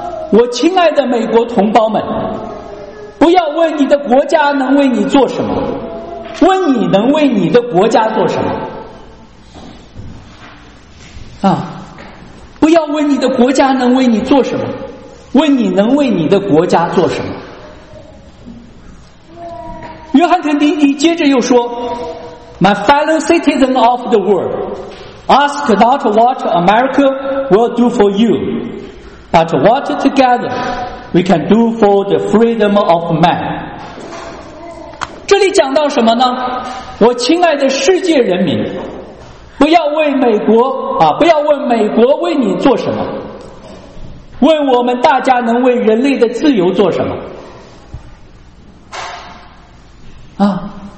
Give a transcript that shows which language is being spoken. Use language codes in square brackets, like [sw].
[zh] 我亲爱的美国同胞们，不要问你的国家能为你做什么，问你能为你的国家做什么啊？不要问你的国家能为你做什么，问你能为你的国家做什么。约翰肯尼迪接着又说 [en] My fellow citizen of the world, ask not what America will do for you, but what together we can do for the freedom of man。 [zh] 这里讲到什么呢？我亲爱的世界人民，不要为美国啊，不要问美国为你做什么，问我们大家能为人类的自由做什么啊？